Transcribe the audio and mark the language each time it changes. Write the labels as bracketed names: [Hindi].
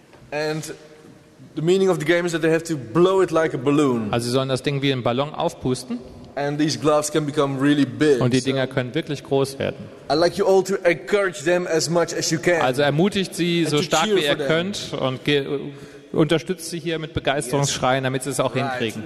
[English] And the meaning of the game is that they have to blow it like a balloon. [German] Also sie sollen das Ding wie ein Ballon aufpusten. [English] And these gloves can become really big. [German] Und die Dinger können wirklich groß werden. [English] I like you all to encourage them as much as you can. [German] Also ermutigt sie so stark wie ihr könnt und unterstützt sie hier mit Begeisterungsschreien, damit sie es auch hinkriegen.